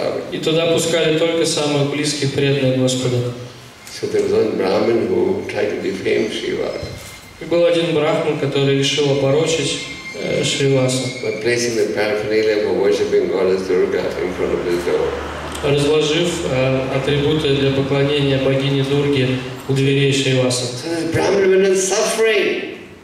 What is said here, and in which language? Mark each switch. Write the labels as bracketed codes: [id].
[ru] И туда пускали только самых близких преданных Господа. [en] So there was one Brahmin who tried to defame Shiva. [ru] Был один брахман, который решил опорочить Шривасу. [en] By placing the paraphernalia for worshiping goddess Durga in front of his door. [ru] Разложив атрибуты для поклонения богине Дурге у дверей Шриваса. [en] So the Brahmin went on suffering.